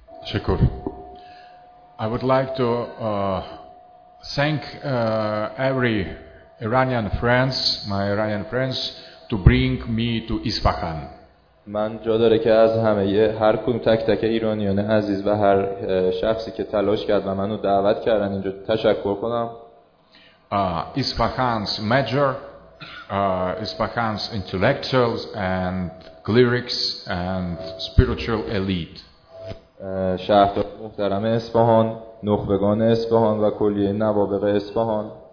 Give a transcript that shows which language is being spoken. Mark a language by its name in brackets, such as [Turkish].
[Persian] شکر. [English] I would like to thank every Iranian friends, my Iranian friends, to bring me to Isfahan. [Persian] من جا داره که از همه یه هر کدوم تک تک ایرانیان عزیز و هر شخصی که تلاش کرد و منو دعوت کردن اینجا تشکر کنم. [English] Isfahan's major, Isfahan's intellectuals and clerics and spiritual elite. [Persian] شهردار محترم اصفهان، نخبگان اصفهان و کلیه نوابغ اصفهان.